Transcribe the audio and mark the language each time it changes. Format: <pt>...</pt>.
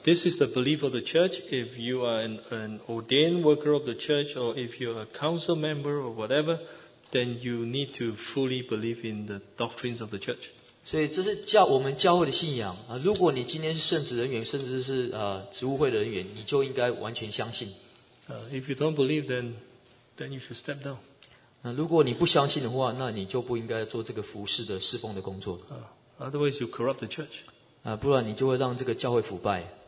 <en>This is the belief of the church. If you are an ordained worker of the church, or if you are a council member or whatever, then you need to fully believe in the doctrines of the church.</en> <zh>所以这是我们教会的信仰。如果你今天是圣职人员，甚至是职务会的人员，你就应该完全相信。</zh> <en>If you don't believe, then you should step down.</en> <zh>如果你不相信的话，那你就不应该做这个服事的侍奉的工作。</zh> <en>Otherwise, you corrupt the church.</en> <zh>不然你就会让这个教会腐败。</zh>